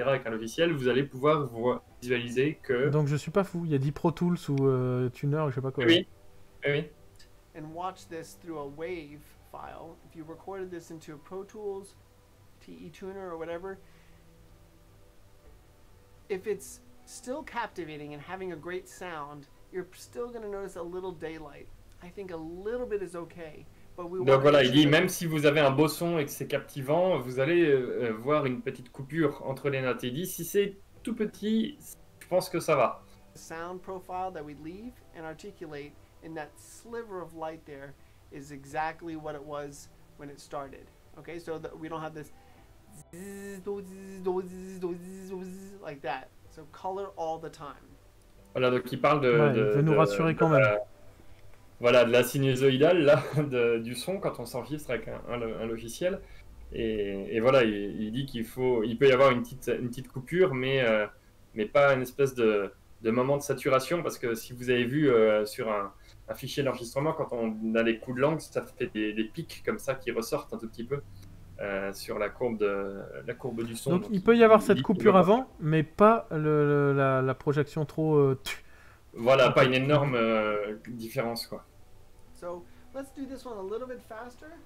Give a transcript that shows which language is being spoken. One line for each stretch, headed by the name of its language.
French: avec un logiciel, vous allez pouvoir visualiser que... Donc je suis pas fou, il y a dit Pro Tools ou Tuner, je sais pas quoi. Oui. Oui.
English: And watch this through a wave file, if you recorded this into Pro Tools, TE Tuner, or whatever, if it's still captivating and having a great sound, you're still going to notice a little daylight. I think a little bit is okay. Donc voilà, il dit même si vous avez un beau son et que c'est captivant, vous allez voir une petite coupure entre les notes. Il dit si c'est tout petit, je pense que ça va. The sound profile that we leave and articulate in that sliver of light there is exactly what it was when it started. Okay, so that we don't have this like that. So color all the time.
French: Voilà, donc il parle de. Ouais, il veut nous rassurer quand même. Voilà, de la sinusoïdale, là, du son, quand on s'enregistre avec un logiciel. Et voilà, il dit qu'il faut, il peut y avoir une petite coupure, mais pas une espèce de moment de saturation, parce que si vous avez vu sur un fichier d'enregistrement, quand on a les coups de langue, ça fait des pics comme ça qui ressortent un tout petit peu sur la courbe du son. Donc il peut y avoir cette coupure avant, mais pas la projection trop... Voilà, pas une énorme différence, quoi.
English: So, let's do this one a little bit faster.